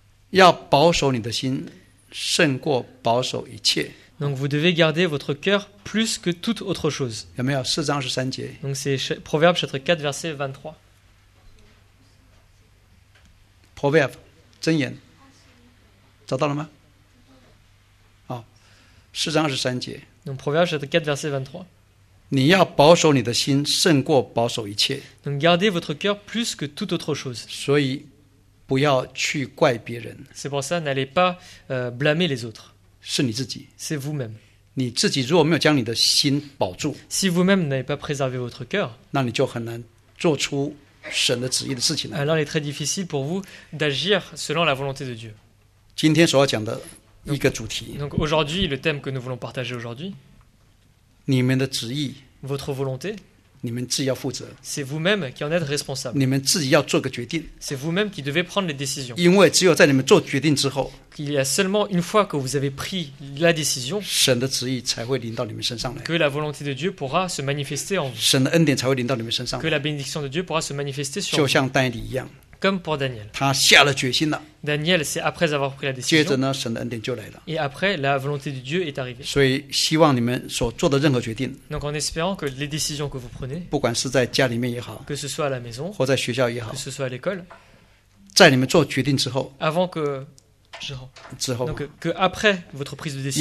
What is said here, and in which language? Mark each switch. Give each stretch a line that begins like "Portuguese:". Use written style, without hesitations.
Chinese: 要保守你的心，胜过保守一切。
French: Donc vous devez garder votre cœur plus que toute autre chose.
Chinese: 有没有？四章二十三节。
French: Donc c'est Proverbe chapitre 4 verset 23.
Chinese: Proverbe, 箴言，找到了吗？啊，四章二十三节。
French: Donc Proverbe chapitre 4 verset 23.
Chinese: 你要保守你的心，胜过保守一切。
French: Donc gardez votre cœur plus que toute autre chose.
Chinese: 所以不要去怪别人。
French: C'est pour ça, n'allez pas blâmer les autres.
Chinese: 是你自己。
French: C'est vous-même.
Chinese: 你自己如果没有将你的心保住。
French: Si vous-même n'avez pas préservé votre cœur.
Chinese: 那你就很难做出神的旨意的事情
French: 了。Alors il est très difficile pour vous d'agir selon la volonté de Dieu.
Chinese: 今天所要讲的一个主题。
French: Donc aujourd'hui, le thème que nous voulons partager aujourd'hui.
Chinese: 你们的旨意
French: votre volonté,
Chinese: 你们自己要负责
French: c'est vous-même qui en êtes responsable.
Chinese: 你们自己要做个决定
French: c'est vous-même qui devez prendre les décisions.
Chinese: 因为只有在你们做决定之后
French: il y a seulement une fois que vous avez pris la décision,
Chinese: 神的旨意才会临到你们身上来
French: que la volonté de Dieu pourra se manifester en vous.
Chinese: 神的恩典才会临到你们身上来
French: que la bénédiction de Dieu pourra se manifester sur vous.
Chinese: 就像丹尼一样
French: comme pour Daniel.
Chinese: 他下了决心了
French: Daniel, c'est après avoir pris la décision.
Chinese: 接着呢，神的恩典就来了。
French: Et après, la volonté de Dieu est arrivée.
Chinese: 所以，希望你们所做的任何决定。
French: Donc, en espérant que les décisions que vous prenez,
Chinese: 不管是在家里面也好，
French: que ce soit à la maison,
Chinese: 或在学校也好，
French: que ce soit à l'école,
Chinese: 在你们做决定之后，
French: avant que,
Chinese: 之后，
French: donc que après votre prise de décision,